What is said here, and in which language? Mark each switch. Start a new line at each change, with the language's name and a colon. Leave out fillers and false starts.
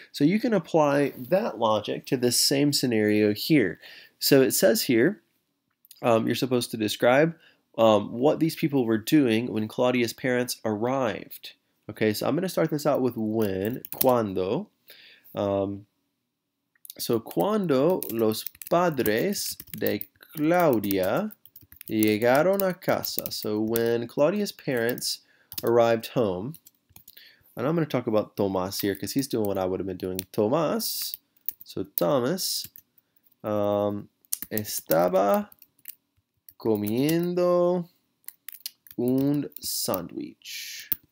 English: So you can apply that logic to this same scenario here. So it says here, you're supposed to describe what these people were doing when Claudia's parents arrived. Okay, so I'm going to start this out with when, cuando.
Spanish: So, cuando los padres de Claudia llegaron a casa.
English: So, when Claudia's parents arrived home, and I'm going to talk about Tomas here because he's doing what I would have been doing.
Spanish: Tomas, so Thomas, estaba comiendo un sandwich.